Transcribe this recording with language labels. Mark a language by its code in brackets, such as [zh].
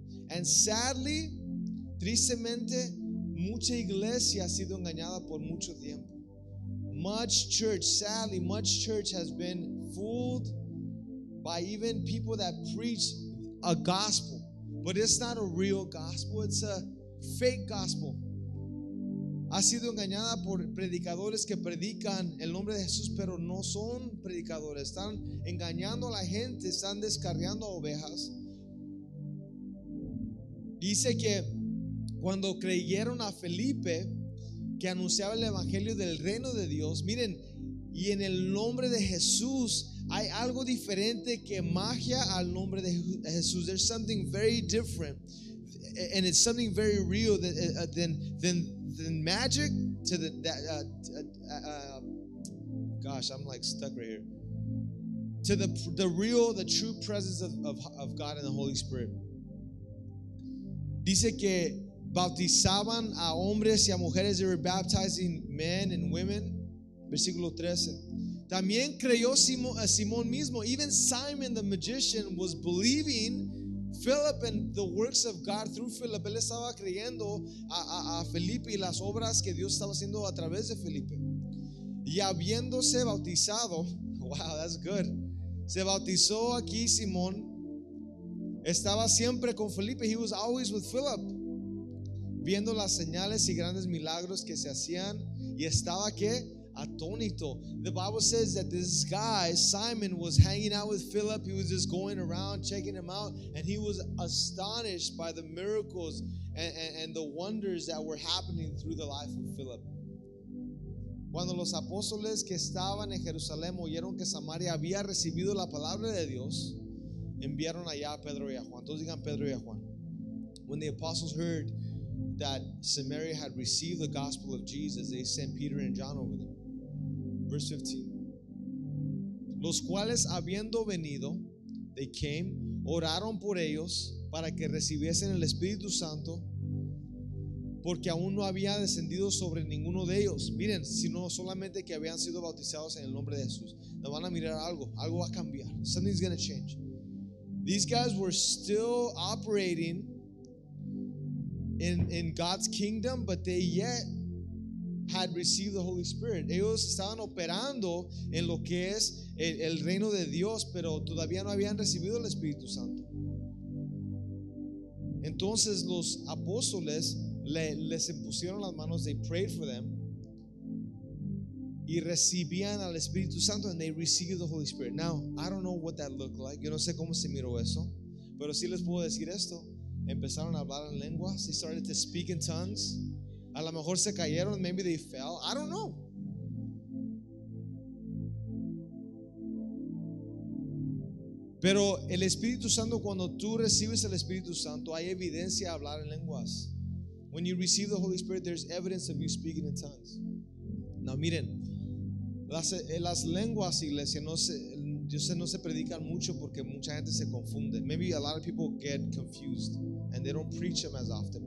[en] And sadly, [es] tristemente, mucha iglesia ha sido engañada por mucho tiempo. [en] Much church, sadly, much church has been fooled by even people that preach a gospel. But it's not a real gospel, it's a fake gospel. [es] Ha sido engañada por predicadores que predican el nombre de Jesús, pero no son predicadores. Están engañando a la gente, están descarriando a ovejas. Dice que cuando creyeron a Felipe, que anunciaba el evangelio del reino de Dios, miren, y en el nombre de Jesús hay algo diferente que magia al nombre de Jesús. [en] There's something very different, and it's something very real than magic to the that, gosh, I'm like stuck right here. To the real, the true presence of God and the Holy Spirit. [es] Dice que bautizaban a hombres y a mujeres. [en] They were baptizing men and women. [es] Versículo 13. También creyó Simón mismo. [en] Even Simon the magician was believing Philip and the works of God through Philip. [es] Él estaba creyendo a Felipe y las obras que Dios estaba haciendo a través de Felipe. Y habiéndose bautizado, [en] wow, that's good. [es] Se bautizó aquí Simón. Estaba siempre con Felipe. [en] He was always with Philip, [es] viendo las señales y grandes milagros que se hacían, y estaba que atónito. [en] The Bible says that this guy Simon was hanging out with Philip. He was just going around checking him out, and he was astonished by the miracles and the wonders that were happening through the life of Philip. [es] Cuando los apóstoles que estaban en Jerusalén oyeron que Samaria había recibido la palabra de Dios, enviaron allá a Pedro y a Juan. Todos digan Pedro y a Juan. [en] When the apostles heard that Samaria had received the gospel of Jesus, they sent Peter and John over them. Verse 15. [es] Los cuales habiendo venido, [en] they came, [es] oraron por ellos para que recibiesen el Espíritu Santo, porque aún no había descendido sobre ninguno de ellos. Miren, sino solamente que habían sido bautizados en el nombre de Jesús. Nos van a mirar algo. Algo va a cambiar. [en] Something's going to change. These guys were still operating in God's kingdom, but they yet had received the Holy Spirit. [es] Ellos estaban operando en lo que es el reino de Dios, pero todavía no habían recibido el Espíritu Santo. Entonces los apóstoles les impusieron las manos. [en] They prayed for them, [es] y recibían al Espíritu Santo, [en] and they received the Holy Spirit. Now, I don't know what that looked like. [es] Yo no sé cómo se miró eso, pero sí les puedo decir esto. Empezaron a hablar en lenguas. [en] They started to speak in tongues. [es] A lo mejor se cayeron. [en] Maybe they fell. I don't know. [es] Pero el Espíritu Santo, cuando tú recibes el Espíritu Santo, hay evidencia de hablar en lenguas. [en] When you receive the Holy Spirit, there's evidence of you speaking in tongues. [es] Now, miren, las lenguas, iglesia, no sé, yo sé, no se predican mucho porque mucha gente se confunde. [en] Maybe a lot of people get confused and they don't preach them as often.